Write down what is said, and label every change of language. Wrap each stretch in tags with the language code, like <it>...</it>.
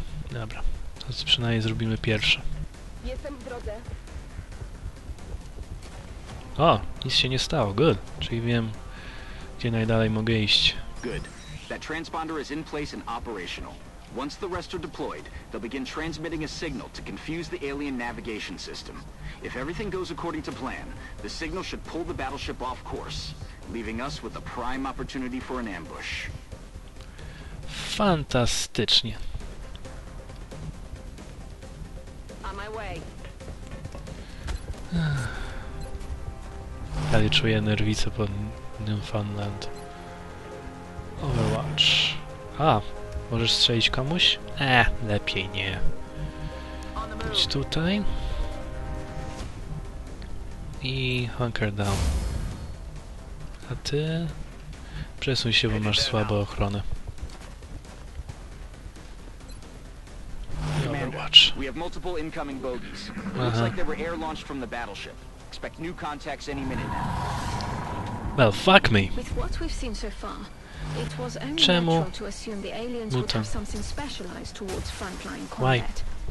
<pl>Dobra, to przynajmniej zrobimy pierwsze. Jestem w drodze. O, nic się nie stało,</pl> <en>good.</en> <pl>Czyli wiem, gdzie najdalej mogę iść.</pl> <en>Good. That transponder is in place and operational. Once the rest are deployed, they'll begin transmitting a signal to confuse the alien navigation system. If everything goes according to plan, the signal should pull the battleship off course, leaving us with a prime opportunity for an ambush.</en> <pl>Fantastycznie.</pl> <en>On my way.</en> <pl>Dalej czuję nerwice po Newfoundland. Overwatch. A, możesz strzelić komuś? Lepiej nie. Idź tutaj.</pl> <en>I hunker down.</en> <pl>A ty? Przesuń się, bo masz słabą ochronę.</pl> <en>Overwatch. We have multiple incoming bogies. Looks like they were air launched from the battleship. Expect new contacts any minute now. Well, fuck me. With what we've seen so far, it was only natural to assume the aliens would have something specialized towards frontline combat.</en>